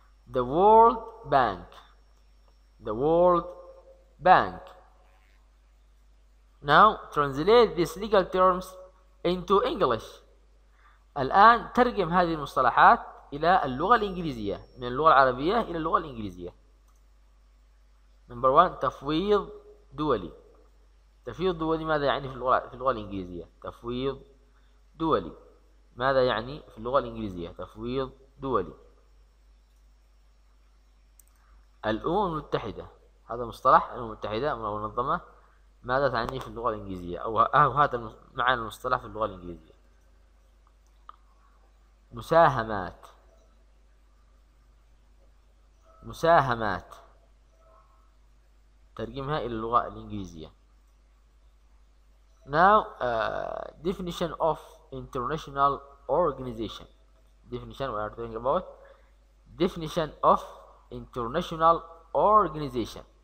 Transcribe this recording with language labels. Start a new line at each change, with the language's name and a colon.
English: The World Bank. The World Bank. Now translate these legal terms into English.
Arabic: الآن ترجم هذه المصطلحات إلى اللغة الإنجليزية، من اللغة العربية إلى اللغة الإنجليزية. Number one, تفويض دولي. تفويض دولي ماذا يعني في اللغة الإنجليزية؟ تفويض دولي ماذا يعني في اللغة الإنجليزية؟ تفويض دولي. الأمم المتحدة، هذا مصطلح الأمم المتحدة منظمة، ماذا تعني في اللغة الإنجليزية؟ أو هذا معنى المصطلح في اللغة الإنجليزية. مساهمات. مساهمات. ترجمها إلى اللغة الإنجليزية.
English: Now definition of international organization. Definition we are talking about. Definition of international organization.